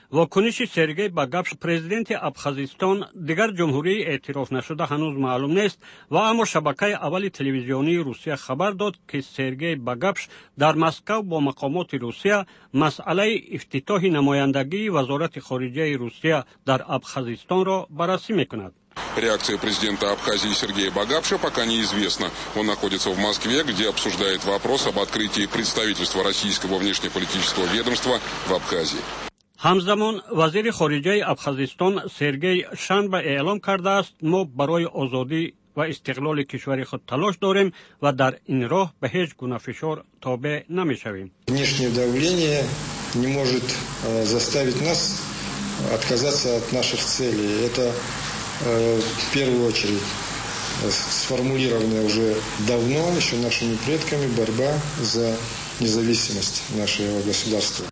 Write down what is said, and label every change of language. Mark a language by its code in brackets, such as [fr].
[fa] واکنش سرگئی باگاپش پرزیدنت ابخازستان دیگر جمهوری اعتراف نشده هنوز معلوم نیست و اما شبکه اول تلویزیونی روسیه خبر داد که سرگئی باگاپش در مسکو با مقامات روسیه مسئله افتتاح نمایندگی وزارت خارجه روسیه در ابخازستان را بررسی میکند. [ru] реакция президента Абхазии Сергея Багапша пока неизвестна. Он находится в Москве, где обсуждает вопрос об открытии представительства российского внешнеполитического ведомства в Абхазии. [fa] همزمان وزیر خارجه ابخازستان سرگئی شنبه اعلام کرده است ما برای آزادی و استقلال کشور خود تلاش داریم و در این راه به هیچ گونه فشار تابع نمی‌شویم. [ru] внешнее давление не может заставить нас отказаться от наших целей. Это в первую очередь сформулировано уже давно, еще нашими предками, борьба за независимость нашего государства.